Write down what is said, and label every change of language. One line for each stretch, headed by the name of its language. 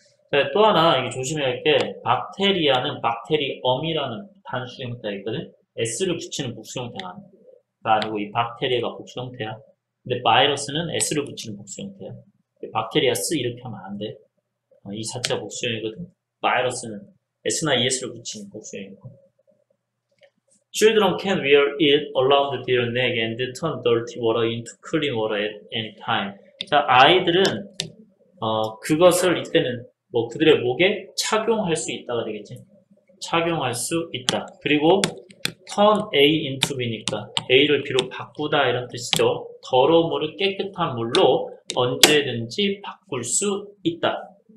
Korean: 네, 또 하나 이게 조심해야 할 게, 박테리아는 박테리엄이라는 단수 형태가 있거든. S를 붙이는 복수 형태가 아니고 이 박테리아가 복수 형태야. 근데 바이러스는 S를 붙이는 복수 형태야. 박테리아스 이렇게 하면 안 돼. 이 자체가 복수형이거든. 바이러스는 S나 ES를 붙이는 복수형인 거.
English: Children can wear it around their neck and turn dirty water into clean water at any time.
Korean: 자, 아이들은 그것을 이때는 뭐 그들의 목에 착용할 수 있다가 되겠지. 착용할 수 있다. 그리고
English: turn A into B
Korean: 니까 A를 비록 바꾸다 이런 뜻이죠. 더러운 물을 깨끗한 물로 언제든지 바꿀 수 있다.